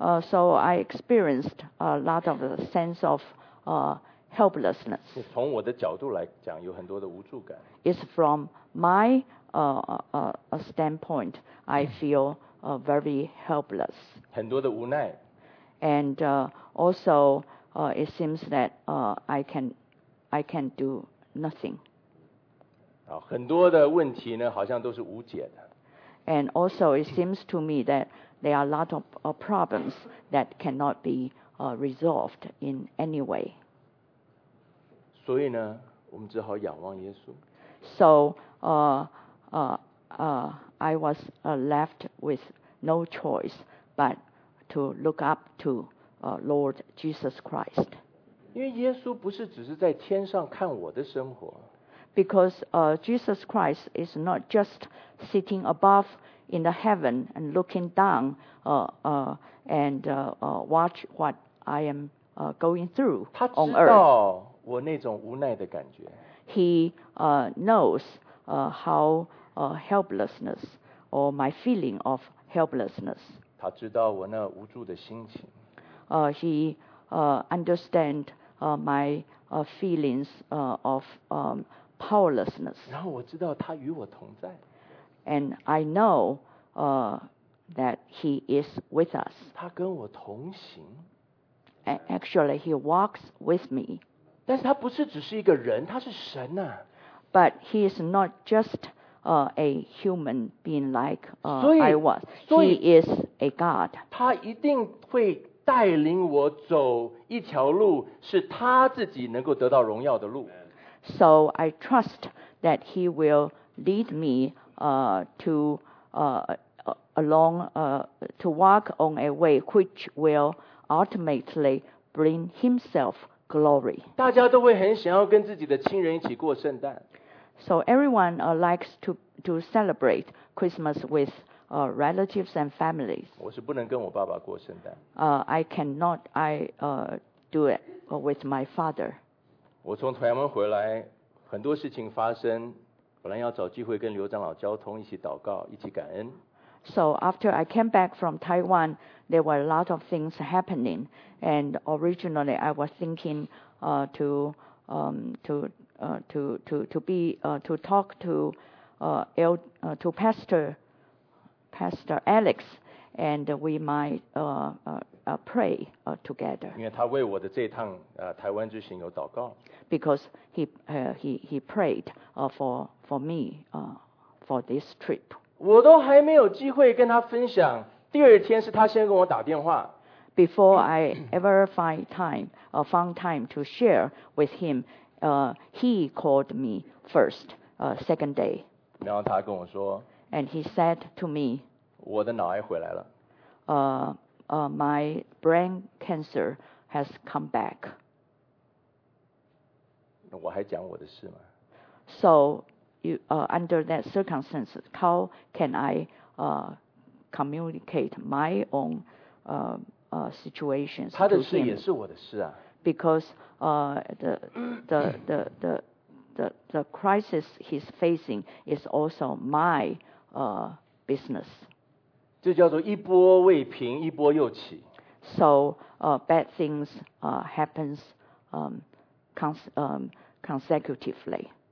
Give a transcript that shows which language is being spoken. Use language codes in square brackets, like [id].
[en] So I experienced a lot of a sense of helplessness. [zh] 从我的角度来讲，有很多的无助感。 [en] It's from my standpoint, I feel very helpless. [zh] 很多的无奈。 [en] And also, it seems that I can do nothing. [zh] 很多的问题呢，好像都是无解的。 [en] And also, it seems to me that there are a lot of problems that cannot be resolved in any way. [zh] 所以呢，我们只好仰望耶稣。 [en] So, I was left with no choice but to look up to Lord Jesus Christ. [zh] 因为耶稣不是只是在天上看我的生活。 [en] Because Jesus Christ is not just sitting above in the heaven and looking down watch what I am going through on earth. [zh] 他知道我那种无奈的感觉。 [en] He knows how helplessness or my feeling of helplessness. [zh] 他知道我那无助的心情。 [en] He understand my feelings of powerlessness. [zh] 然后我知道他与我同在。 [en] And I know that he is with us. [zh] 他跟我同行。 [en] And actually, he walks with me. [zh] 但是他不是只是一个人，他是神啊。 [en] But he is not just a human being like I was. He is a God. [zh] 他一定会带领我走一条路，是他自己能够得到荣耀的路。 [en] So I trust that he will lead me to walk on a way which will ultimately bring himself glory. [zh] 大家都会很想要跟自己的亲人一起过圣诞。 [en] So everyone likes to celebrate Christmas with relatives and families. [zh] 我是不能跟我爸爸过圣诞。 [en] I cannot. I do it with my father. [zh] 我从台湾回来，很多事情发生。本来要找机会跟刘长老交通，一起祷告，一起感恩。 [en] So after I came back from Taiwan, there were a lot of things happening. And originally, I was thinking to talk to Pastor Alex, and we might pray together. [zh] 因为他为我的这趟台湾之行有祷告。 [en] Because he prayed for me for this trip. [zh] 我都还没有机会跟他分享。第二天是他先跟我打电话。 [en] Before I ever found time to share with him, he called me first, second day. [zh] 然后他跟我说。 [en] And he said to me. [zh] 我的脑癌回来了。 [en] My brain cancer has come back. [zh] 我还讲我的事吗？ [en] So, under that circumstance, how can I communicate my own situations? [zh] 他的事也是我的事啊。 [en] Because the crisis he's facing is also my business. [zh] 这叫做一波未平，一波又起。 [en] So, bad things happens consecutively.